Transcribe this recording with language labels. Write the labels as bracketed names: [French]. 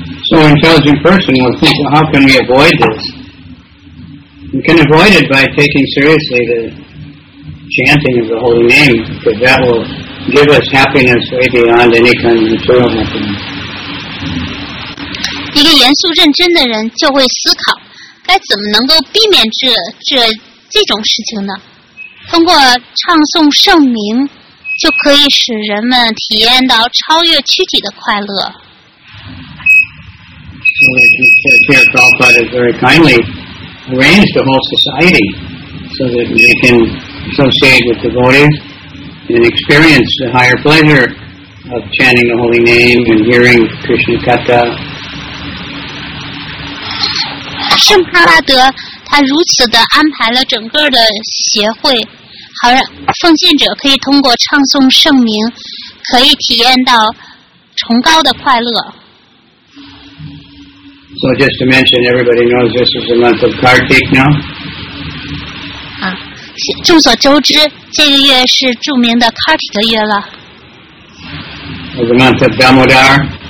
[English] So an intelligent person will think, well, how can we avoid this? You can avoid it by taking seriously the chanting of the Holy Name, because that will give us happiness way beyond any kind of material happiness. [Chinese] 一个严肃认真的人就会思考，该怎么能够避免这种事情呢？通过唱诵圣名，就可以使人们体验到超越躯体的快乐。 [English] So, Prabhupada is very kindly. Arrange the whole society so that we can associate with devotees and experience the higher pleasure of chanting the holy name and hearing Krishna Katha. [Chinese] 圣帕拉德他如此的安排了整个的协会，好让奉献者可以通过唱诵圣名，可以体验到崇高的快乐。 [English] So just to mention, everybody knows this is the month of Kartik now. [Chinese] 啊，众所周知，这个月是著名的 Kartik 月了。 [English] The month of Damodar.